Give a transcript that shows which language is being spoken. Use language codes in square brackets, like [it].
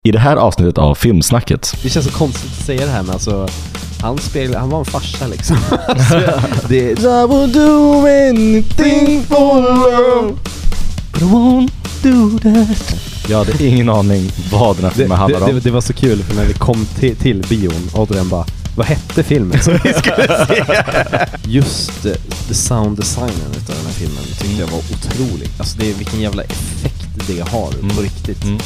[sv] I det här avsnittet av Filmsnacket. Det känns så konstigt att säga det här, men alltså, han spelade, han var en farsa liksom. Det är, [en] I won't do anything for love, but I won't do that. [sv] Jag hade ingen aning vad den här filmen handlade om. Det var så kul, för när vi kom till bion, Adrian bara, vad hette filmen som vi skulle se? Just the sound designen av den här filmen tyckte jag var otrolig. Alltså det är, vilken jävla effekt det har på riktigt.